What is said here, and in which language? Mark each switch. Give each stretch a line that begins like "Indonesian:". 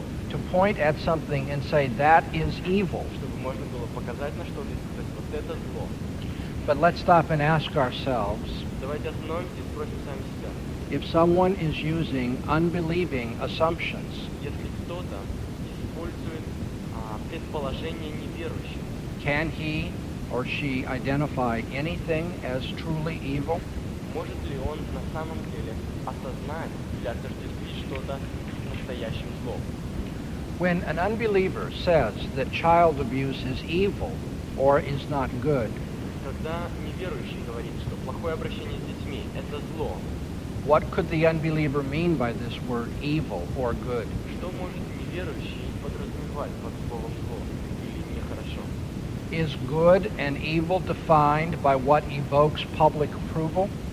English: to point at something and say, that is evil.
Russian: Чтобы можно было показать на что-то и сказать, вот это зло.
English: But let's stop and ask ourselves,
Russian: давайте остановимся и спросим сами себя.
English: If someone is using unbelieving assumptions,
Russian: если кто-то использует предположение неверующих,
English: can he or she identify anything as truly evil?
Russian: Может ли он на самом деле осознать или отождествить что-то настоящим злом?
English: When an unbeliever says that child abuse is evil or is not good,
Russian: когда неверующий говорит, что плохое обращение с детьми – это зло,
English: what could the unbeliever mean by this word evil or good?
Russian: Что может неверующий подразумевать под словом зло или нехорошо?
English: Is good and evil defined by what evokes public approval?